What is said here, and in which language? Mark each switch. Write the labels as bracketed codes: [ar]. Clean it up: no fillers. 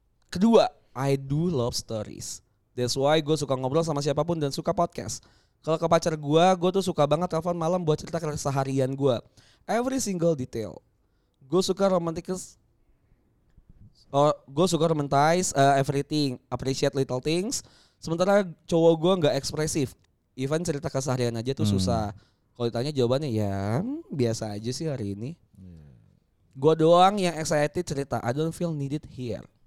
[id] Kedua, [en] I do love stories. That's why [id] gue suka ngobrol sama siapapun dan suka podcast. Kalau ke pacar gue tuh suka banget telepon malam buat cerita keseharian gue. [en] Every single detail. [id] Gue suka romantis. Gue suka [en] romantize everything, appreciate little things. [id] Sementara cowok gue gak ekspresif. Even cerita keseharian aja tuh susah. Kalau ditanya jawabannya ya biasa aja sih hari ini. Gue doang yang excited cerita, [en] I don't feel needed here.